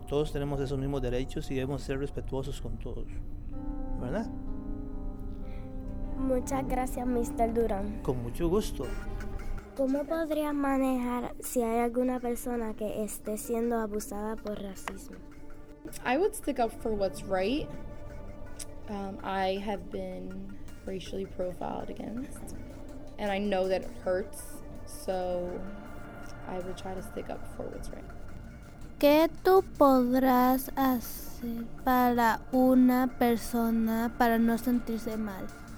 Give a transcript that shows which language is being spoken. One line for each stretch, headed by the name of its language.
Spanish: Todos tenemos esos mismos derechos y debemos ser respetuosos con todos, ¿verdad? Muchas gracias, Mr. Durán. Con mucho gusto. ¿Cómo podrías manejar si hay alguna persona que esté siendo abusada por racismo?
English: I would stick up for what's right. I have been racially profiled against, and I know that it hurts, so I would try to stick up for what's right.
Spanish: ¿Qué tú podrás hacer para una persona para no sentirse mal?